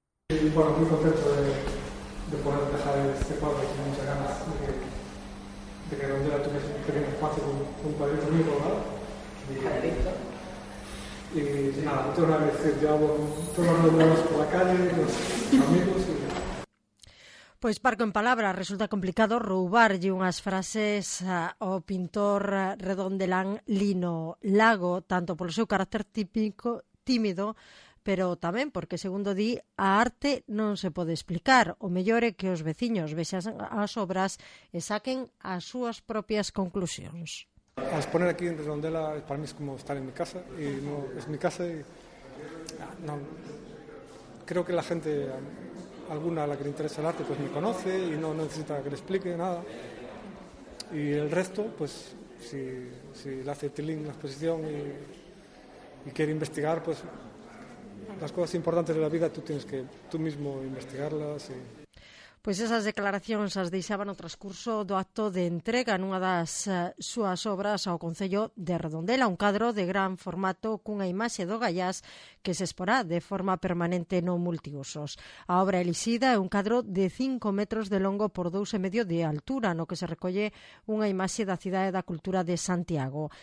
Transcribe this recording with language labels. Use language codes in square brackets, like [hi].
[es] y bueno, muy contento de poder empezar este cuadro. Tengo muchas ganas de que Rondera tuviese un pequeño espacio con Padre Domingo, ¿verdad? Y nada, otra vez agradecer. Yo hago todos los días por la calle, los amigos y... [gl] Pois parco en palabra, resulta complicado roubarlle unhas frases ao pintor redondelán Lino Lago, tanto polo seu carácter típico, tímido, pero tamén porque, segundo di, a arte non se pode explicar. O mellor é que os veciños vexan as obras e saquen as súas propias conclusións. [es] A exponer aquí en Redondela para mí é como estar en mi casa, e no, é mi casa e [gl] non creo que a xente [es] alguna a la que le interesa el arte pues me conoce y no necesita que le explique nada, y el resto pues si le hace tilín la exposición y quiere investigar, pues las cosas importantes de la vida tú tienes que tú mismo investigarlas y... [gl] Pues esas declaracións as deixaban o transcurso do acto de entrega nunha das súas obras ao Concello de Redondela, un cadro de gran formato cunha imaxe do Gaiás que se exporá de forma permanente no multiusos. A obra elixida é un cadro de 5 metros de longo por 2,5 de altura, no que se recolle unha imaxe da Cidade da Cultura de Santiago.